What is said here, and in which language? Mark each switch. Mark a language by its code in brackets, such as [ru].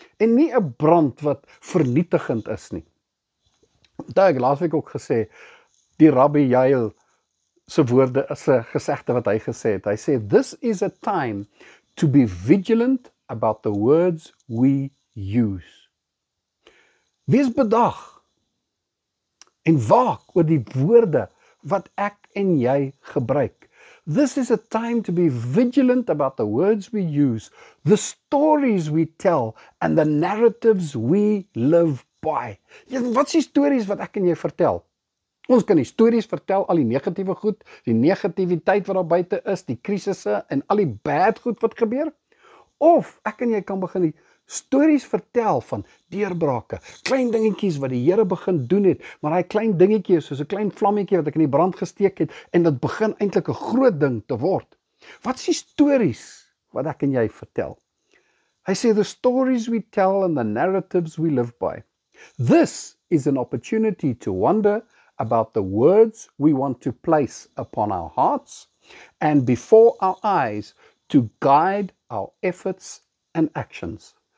[af] En nie 'n brand wat vernietigend is nie. Onthou ek laasweek ook gesê, die Rabbi Yael se woorde is 'n gesegde wat hy gesê het. Hy sê, [en] "This is a time to be vigilant about the words we use." [af] Wees bedag en waak oor die woorde wat ek en jy gebruik. [en] This is a time to be vigilant about the words we use, the stories we tell, and the narratives we live by. [af] Wat is die stories wat ek en jy vertel? Ons kan die stories vertel, al die negatiewe goed, die negativiteit wat daar buite is, die krisisse en al die bad goed wat gebeur. Of ek en jy kan begin die stories vertel van deurbrake, klein dingetjies wat die Here begin doen het, maar hy klein dingetjie is soos 'n klein vlammetjie wat ek in die brand gesteek het en dit begin eintlik 'n groot ding te word. Wat is die stories wat ek en jy vertel? Hy sê, [en] "The stories we tell and the narratives we live by. This is an opportunity to wonder about the words we want to place upon our hearts and before our eyes to guide our efforts and actions."